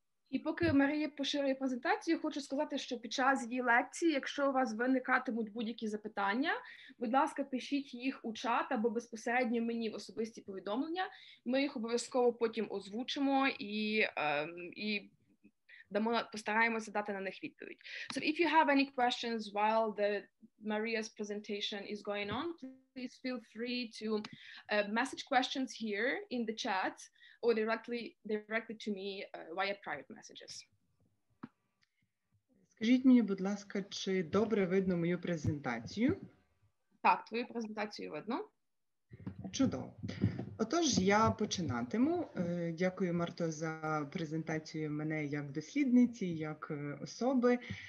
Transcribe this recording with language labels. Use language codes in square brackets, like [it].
[uk] І поки Марія поширює презентацію, хочу сказати, що під час її лекції, якщо у вас виникатимуть будь-які запитання, будь ласка, пишіть їх у чат або безпосередньо мені в особисті повідомлення. Ми їх обов'язково потім озвучимо і дамо, постараємося дати на них відповідь. [en] So if you have any questions while the Maria's presentation is going on, please feel free to message questions here in the chat or directly to me via private messages. [uk] Скажіть мені, будь ласка, чи добре видно мою презентацію? Так, твою презентацію видно. Чудово. Отож, я починатиму. Дякую, Марто, за презентацію мене як дослідниці, як особи.